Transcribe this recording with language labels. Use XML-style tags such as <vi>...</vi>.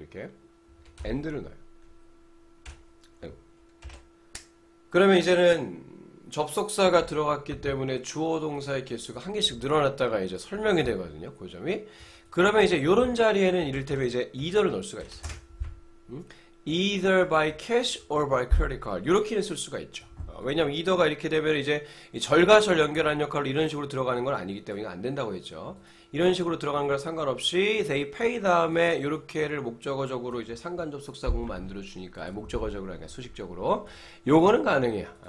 <ko>이렇게 엔드를 넣어요. 그러면 이제는 접속사가 들어갔기 때문에 주어 동사의 개수가 한 개씩 늘어났다가 이제 설명이 되거든요. 그 점이. 그러면 이제 이런 자리에는 이를테면 이제 either를 넣을 수가 있어요.</ko> <en>Either by cash or by credit card.</en> <ko>이렇게는 쓸 수가 있죠. 왜냐하면 either가 이렇게 되면 이제 절가절 연결한 역할로 이런 식으로 들어가는 건 아니기 때문에 안 된다고 했죠. 이런 식으로 들어가는 거랑 상관없이 they pay 다음에 이렇게를 목적어적으로 이제 상관 접속사구 만들어 주니까 목적어적으로 아니라 수식적으로 요거는 가능해요.</ko>